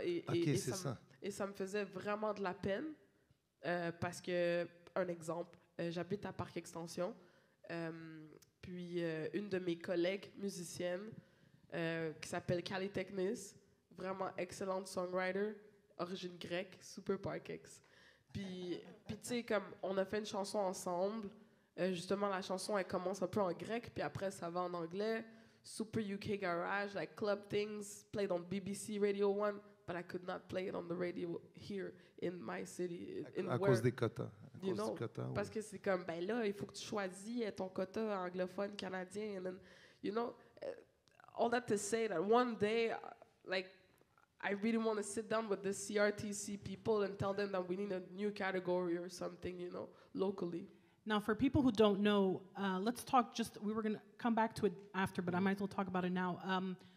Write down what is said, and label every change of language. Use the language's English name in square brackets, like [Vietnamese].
[French] Et ça me faisait vraiment de la peine. Parce que, un exemple, j'habite à Parc Extension, puis une de mes collègues musiciennes qui s'appelle Cali Technis, vraiment excellente songwriter, origine grecque, super Parkex. Puis tu sais, comme on a fait une chanson ensemble, justement la chanson elle commence un peu en grec, puis après ça va en anglais, super [English] UK garage, like club things, played on BBC Radio 1. But I could not play it on the radio here in my city. [French] Cause des quotas. Des quotas. Parce que c'est comme, ben là, il faut que tu choisis ton quota anglophone, canadien. [English] And then, you know, all that to say that one day, like, I really want to sit down with the CRTC people and tell them that we need a new category or something, you know, locally. Now, for people who don't know, let's talk just, we were going to come back to it after, but I might as well talk about it now.